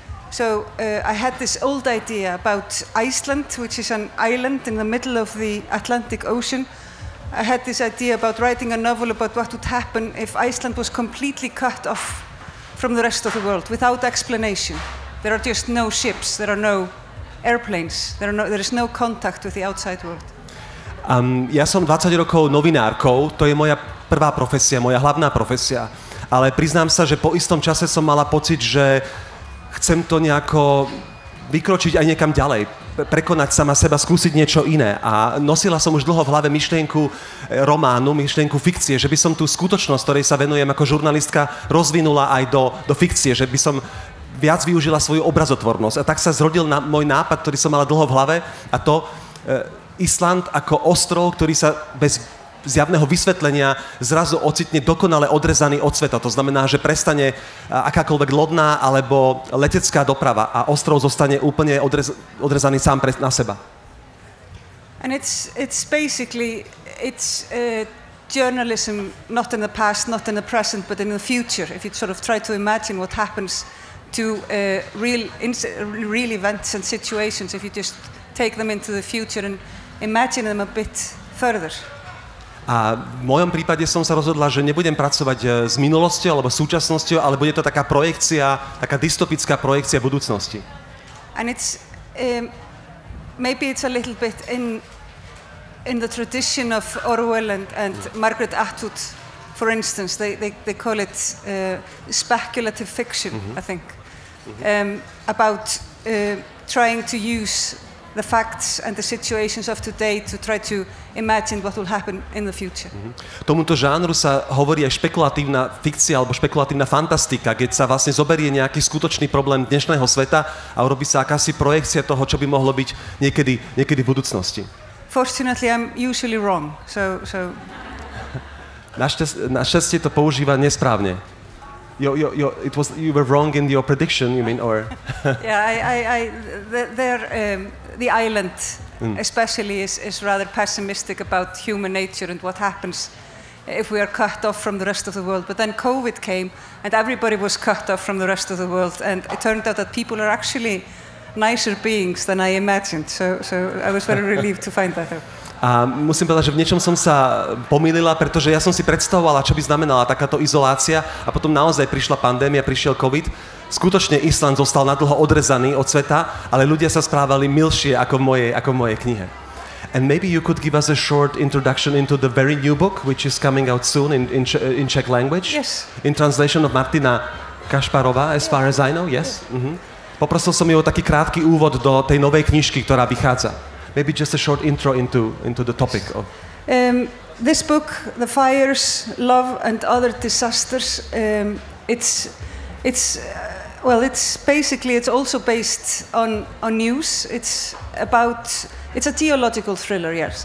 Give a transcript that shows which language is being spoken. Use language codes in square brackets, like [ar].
[en] So I had this old idea about Iceland, which is an island in the middle of the Atlantic Ocean. I had this idea about writing a novel about what would happen if Iceland was completely cut off from the rest of the world without explanation. There are just no ships, there are no airplanes, there is no contact with the outside world. [sk] Ja som 20 rokov novinárkou, to je moja prvá profesia, moja hlavná profesia, ale priznám sa, že po istom čase som mala pocit, že chcem to nejako vykročiť aj niekam ďalej. prekonať sama seba, skúsiť niečo iné. A nosila som už dlho v hlave myšlienku románu, myšlienku fikcie, že by som tú skutočnosť, ktorej sa venujem ako žurnalistka, rozvinula aj do fikcie, že by som viac využila svoju obrazotvornosť. A tak sa zrodil môj nápad, ktorý som mala dlho v hlave, a to Island ako ostrov, ktorý sa bez zjavného vysvetlenia zrazu ocitne dokonale odrezaný od sveta. To znamená, že prestane akákoľvek lodná alebo letecká doprava a ostrov zostane úplne odrezaný sám na seba. [en] And it's basically it's journalism not in the past, not in the present, but in the future. If you sort of try to imagine what happens to real events and situations, if you just take them into the future and imagine them a bit further. [sk] A v mojom prípade som sa rozhodla, že nebudem pracovať s minulosťou alebo súčasnosťou, ale bude to taká projekcia, taká dystopická projekcia budúcnosti. [en] And it's maybe it's a little bit in the tradition of Orwell and Margaret Atwood, for instance, they call it speculative fiction, mm-hmm. I think. Mm-hmm. About trying to use the facts and the situations of today to try to imagine what will happen in the future. Mm-hmm. [sk] Tomuto žánru sa hovorí aj špekulatívna fikcia alebo špekulatívna fantastika, keď sa vlastne zoberie nejaký skutočný problém dnešného sveta a urobí sa akási projekcia toho, čo by mohlo byť niekedy v budúcnosti. [en] Fortunately, I'm usually wrong, so... [sk] Našťastie to používa nesprávne. [en] You were wrong in your prediction, you mean, or... Yeah, the island especially is rather pessimistic about human nature and what happens if we are cut off from the rest of the world. But then COVID came and everybody was cut off from the rest of the world and it turned out that people are actually nicer beings than I imagined. So I was very relieved to find that out. [sk] A musím povedať, že v niečom som sa pomýlila, pretože ja som si predstavovala, čo by znamenala takáto izolácia a potom naozaj prišla pandémia, prišiel COVID. Skutočne Island zostal nadlho odrezaný od sveta, ale ľudia sa správali milšie ako v mojej knihe. [en] And maybe you could give us a short introduction into the very new book, which is coming out soon in Czech language. Yes. In translation of Martina Kašparová, as far as I know, yes? Mm-hmm. [sk] Poprosil som ju o taký krátky úvod do tej novej knižky, ktorá vychádza. [en] Maybe just a short intro into the topic of... This book, The Fires, Love and Other Disasters, it's also based on news. It's a geological thriller, yes.